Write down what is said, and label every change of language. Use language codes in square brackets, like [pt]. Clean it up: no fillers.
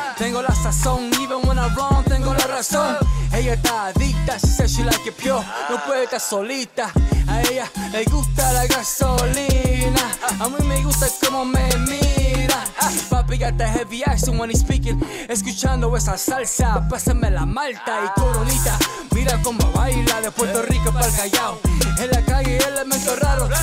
[es] Tengo la sazón, [en] even when I'm wrong, [es] tengo la razón. Ella está adicta, [en] she said she like it pure. [es] No puede estar solita, a ella le gusta la gasolina. A mí me gusta como me mira. [en] Papi got the heavy accent when he's speaking. [es] Escuchando esa salsa, pásame la malta y coronita. Mira cómo baila de Puerto Rico para el Callao. En la calle el elemento raro.